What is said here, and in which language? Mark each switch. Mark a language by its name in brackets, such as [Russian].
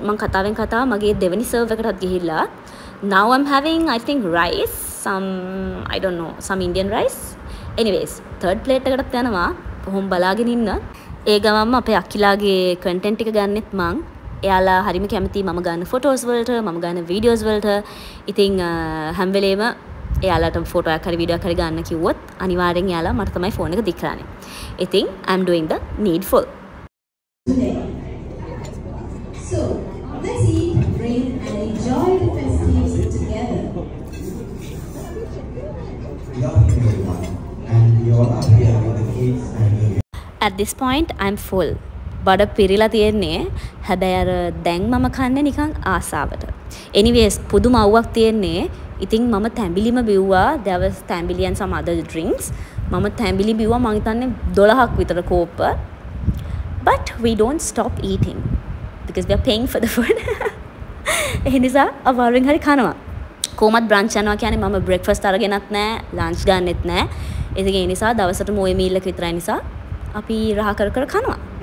[Sinhala] මම කතාවෙන් කතාව මගේ දෙවනි සර්ව් එකටත් ගිහිල්ලා. [English] Now I'm having, I think, rice. Some Indian rice. [Sinhala] Anyways, third plate එකටත් යනවා. කොහොම බලාගෙන ඉන්න. ඒ ගමන්ම අපේ අකිලාගේ කන්ටෙන්ට් එක ගන්නෙත් මං. එයාලා හරිම කැමති මම ගන්න ෆොටෝස් වලට, මම ගන්න වීඩියෝස් වලට. ඉතින් හැම වෙලේම එයාලට ෆොටෝ එකක් හරි වීඩියෝ එකක් හරි ගන්න කිව්වොත් අනිවාර්යෙන් එයාලා මට තමයි ෆෝන් එක දික්රන්නේ. [English] ඉතින් I am doing the needful. At this point I am full. [Sinhala] බඩ පිරිලා තියෙන්නේ. හැබැයි අර දැන් මම කන්නේ නිකන් ආසාවට. Anyways, පුදුම අවුවක් තියෙන්නේ. ඉතින් මම තැඹිලිම බිව්වා. [English] There was tambili and some other drinks. [Sinhala] මම තැඹිලි බිව්වා මං හිතන්නේ 12ක් විතර කෝප්ප. [English] But we don't stop eating because we are paying for the food. [Sinhala] ඒ නිසා අවාරෙන් හරි කනවා. කොහොමත් බ්‍රන්ච් යනවා කියන්නේ මම බ්‍රෙක්ෆාස්ට් අරගෙනත් නැහැ, ලන්ච් ගන්නෙත් නැහැ. ඒක ඒ නිසා දවසට මොයේ මීල් එක විතරයි නිසා අපි රහ කර කර කනවා.